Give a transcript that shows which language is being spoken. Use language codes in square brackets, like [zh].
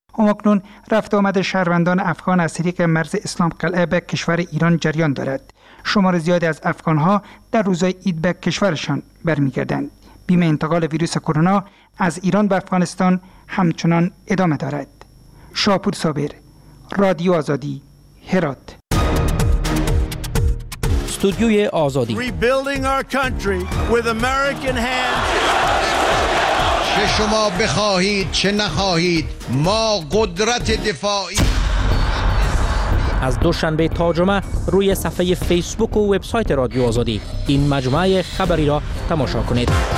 [fa] همکنون رفت آمد شهروندان افغان از طریق مرز اسلام قلعه به کشور ایران جریان دارد. شمار زیادی از افغان‌ها در روزهای عید به کشورشان برمی‌گردند. بیم انتقال ویروس کرونا از ایران به افغانستان همچنان ادامه دارد. شاپور صابر، رادیو آزادی، هرات. استودیوی آزادی. [en] Rebuilding our country with American hands. [fa] چه شما بخواهید چه نخواهید، ما قدرت دفاعی. از دوشنبه تا جمعه روی صفحه فیسبوک و وبسایت رادیو آزادی این مجموعه خبری را تماشا کنید.